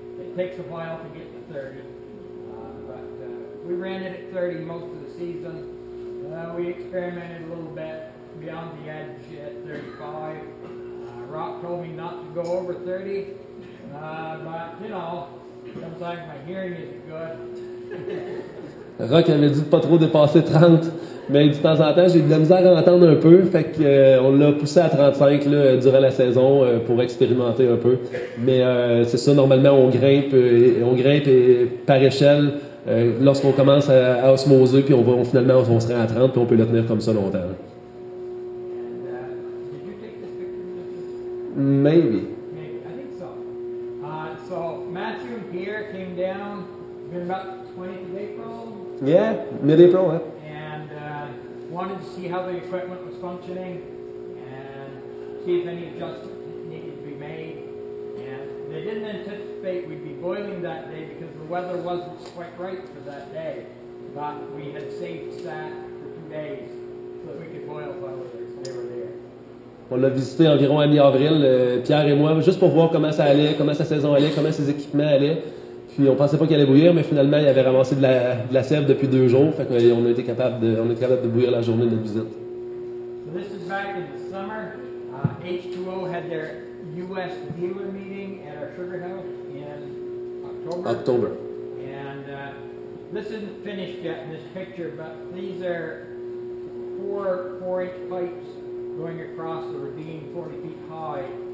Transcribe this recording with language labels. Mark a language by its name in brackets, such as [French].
[English] It takes a while to get to 30, but we ran it at 30 most of the season. We experimented a little bit beyond the edge at 35. Rock told me not to go over 30, but you know, sometimes my hearing isn't good. [French] Rock avait dit de pas trop dépasser 30. Mais de temps en temps, j'ai eu de la misère à entendre un peu, fait qu'on l'a poussé à 35 là, durant la saison pour expérimenter un peu. Mais c'est ça, normalement, on grimpe et par échelle lorsqu'on commence à osmoser, puis on se rend à 30, puis on peut le tenir comme ça longtemps. [English] And, did you take this picture? Maybe. Maybe, I think so. So, Matthew and Pierre came down about 20th of April? Yeah, mid-April, yeah. Wanted to see how the equipment was functioning and see if any adjustments needed to be made. And they didn't anticipate we'd be boiling that day because the weather wasn't quite right for that day. But we had saved that for 2 days so that we could boil while they were there. [French] On l'a visité environ à mi-avril, Pierre et moi, juste pour voir comment ça allait, comment sa saison allait, comment ses équipements allaient. Puis on pensait pas qu'il allait bouillir, mais finalement il avait ramassé de la sève depuis 2 jours. Fait qu'on a été capable de bouillir la journée de notre visite. [English] So this is back in the summer. H2O had their US dealer meeting at our sugar house in October. And this isn't finished yet in this picture, but these are 4 4-inch pipes going across the ravine 40 feet high.